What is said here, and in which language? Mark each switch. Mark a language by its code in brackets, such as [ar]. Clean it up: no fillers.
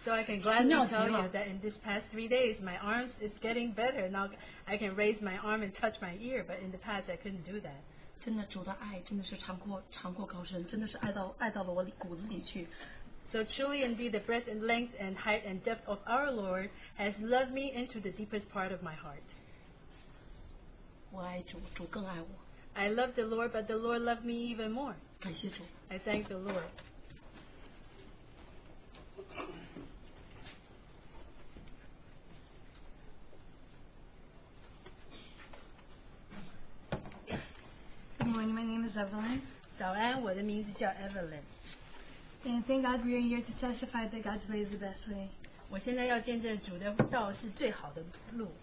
[en] So I can gladly tell you that in this past 3 days, my arms is getting better. Now I can raise my arm and touch my ear, but in the past I couldn't do that. [zh] 真的，主的爱真的是长阔高深，真的是爱到了我骨子里去。 [en] So truly indeed, the breadth and length and height and depth of our Lord has loved me into the deepest part of my heart. [zh] 我爱主，主更爱我。 [en] I love the Lord, but the Lord loved me even more. [zh] 感谢主。 [en] I thank the Lord. Good morning, my name is Evelyn. [zh] 早安, 我的名字叫 Evelyn. [en] And thank God we are here to testify that God's way is the best way. [zh] 我现在要见证主的道是最好的路。